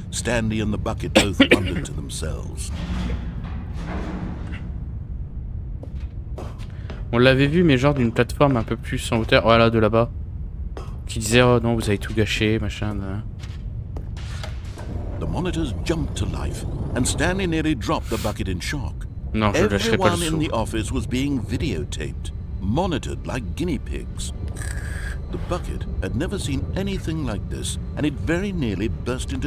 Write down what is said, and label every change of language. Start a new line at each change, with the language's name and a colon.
English: Stanley and the bucket both wondered to themselves.
French: On l'avait vu, mais genre d'une plateforme un peu plus en hauteur, voilà, de là-bas. Qui disait oh non, vous avez tout gâché, machin. Là.
English: The monitors jumped to life, and Stanley nearly dropped the bucket in shock.
French: Non, je lâcherai pas le saut.
English: Everyone in the office was being videotaped, monitored like guinea pigs. The bucket had never seen anything like this, and it very nearly burst into